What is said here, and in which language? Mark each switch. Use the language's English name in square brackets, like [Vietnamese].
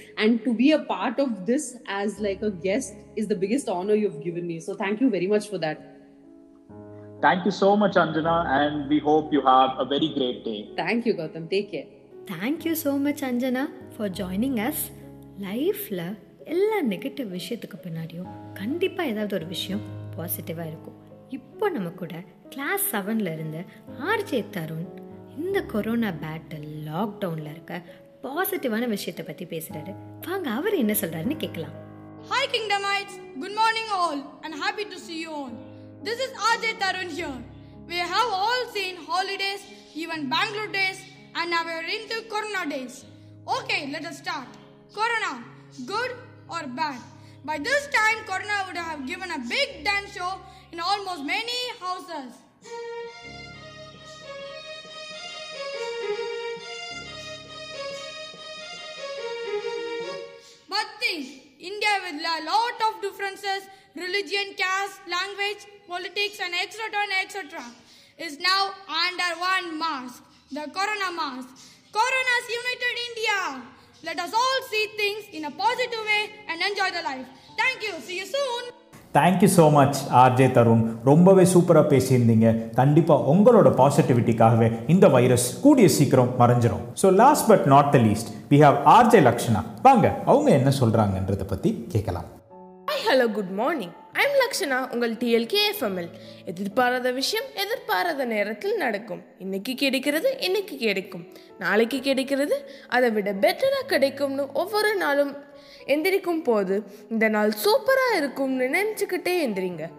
[English] And to be a part of this as like a guest is the biggest honor you've given me. So thank you very much for that. Thank you so much, Anjana. And we hope you have a very great day. Thank you, Gautam. Take care. Thank you so much, Anjana, for joining us. [Tamil] லைஃப்பில் எல்லா negative விஷயத்துக்கு பின்னாடியும் கண்டிப்பாக ஏதாவது ஒரு விஷயம் பாசிட்டிவாக இருக்கும். இப்போ நம்ம கூட கிளாஸ் 7ல் இருந்த ஆர்ஜே தருண் இந்த கொரோனா பேட்டில் லாக்டவுனில் இருக்க பாசிட்டிவான விஷயத்தை பற்றி பேசுகிறாரு. வாங்க அவர் என்ன சொல்கிறாருன்னு கேட்கலாம். [English] Hi Kingdomites, good morning all and happy to see you all. This is Ajay Tarun here. We have all seen holidays, even Bangalore days and now we are into Corona days. Okay, let us start. Corona, good or bad? By this time, Corona would have given a big dance show in almost many houses. But think, India with a lot of differences, religion, caste, language, politics and etc. and etc. is now under one mask, the Corona mask. Corona's united India! Let us all see things in a positive way and enjoy the life. Thank you. See you soon. Thank you so much, RJ Tarun. [Tamil] ரொம்பவே சூப்பரா பேசியிருந்தீங்க. கண்டிப்பா உங்களோட பாசிட்டிவிட்டிக்காகவே இந்த virus கூடிய சீக்கிரம் மறைஞ்சிரும். [English] So last but not the least, we have RJ Lakshana. [Tamil] வாங்க அவங்க என்ன சொல்றாங்கன்றத பத்தி கேட்கலாம். [English] Hi, hello, good morning. I'm [Tamil] Lakshana, உங்கள் TLK FML. எதிர்பாராத விஷயம் எதிர்பாராத நேரத்தில் நடக்கும். இன்னைக்கு கிடைக்கிறது இன்னைக்கு கிடைக்கும், நாளைக்கு கிடைக்கிறது அதை விட பெட்டராக கிடைக்கும்னு ஒவ்வொரு நாளும் எந்திரிக்கும் போது இந்த நாள் சூப்பராக இருக்கும்னு நினச்சிக்கிட்டே எந்திரிங்க.